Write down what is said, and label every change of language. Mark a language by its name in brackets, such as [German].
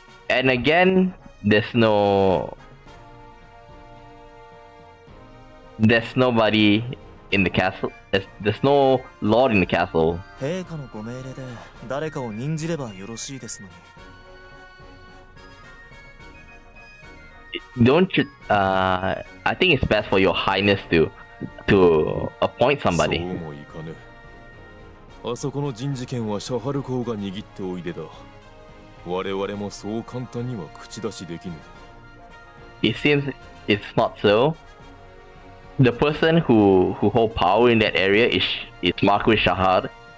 [English] And again, there's nobody in the castle. There's no lord in the castle. [Japanese] 陛下のご命令で誰かを任じればよろしいですのに。 [English] Don't you, I think it's best for your highness to appoint somebody. [Japanese] そうもいかぬ。あそこの人事権はシャハル公が握っておいでだ。我々もそう簡単には口出しできぬ。 [English] It seems it's not so. The person who hold power in that area is Marquis Shahar.